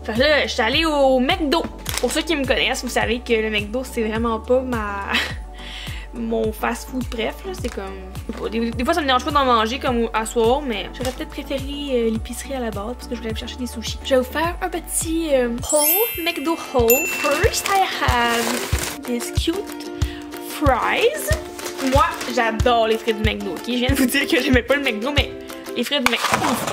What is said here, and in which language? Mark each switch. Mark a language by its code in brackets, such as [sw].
[fr] Fait que là, j'étais allée au McDo. Pour ceux qui me connaissent, vous savez que le McDo, c'est vraiment pas ma... mon fast-food préf, là. C'est comme... Des fois, ça me dérange pas d'en manger, comme à soir, mais... J'aurais peut-être préféré l'épicerie à la base, parce que je voulais aller chercher des sushis. Je vais vous faire un petit haul, McDo haul. [en] First, I have this cute fries. [fr] Moi, j'adore les frites du McDo, ok? Je viens de vous dire que j'aimais pas le McDo, mais les frites du McDo...